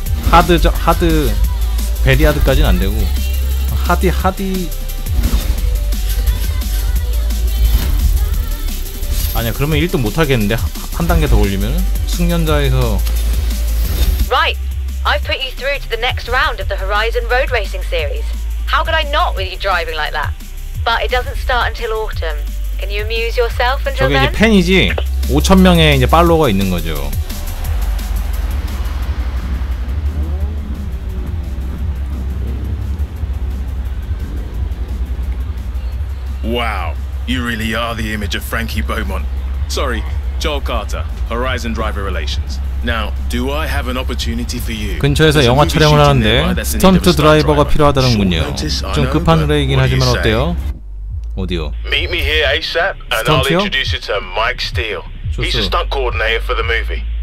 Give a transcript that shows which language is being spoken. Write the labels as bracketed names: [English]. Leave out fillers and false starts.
[Korean] 하드, 베리하드까지는 안 되고, 하디. 아니야, 그러면 1등 못 하겠는데. 한 단계 더 올리면 숙련자에서. [English] Right. I've put you through to the next round of the Horizon Road Racing series. How could I not with you driving like that? But it doesn't start until autumn. Can you amuse yourself until then? [Korean] 저게 이제 팬이지. 5,000명의 이제 팔로워가 있는 거죠. 와우. [English] You really are the image of Frankie Beaumont. Sorry, Joel Carter, Horizon Driver Relations. Now, do I have an opportunity for you? [Korean] 근처에서 영화 촬영을 하는데 스턴트 드라이버가 필요하다는군요. 좀 급한 의뢰이긴 하지만 어때요? 어디요? [English] Meet me here ASAP and I'll introduce you to Mike Steele. He's a stunt coordinator for the movie.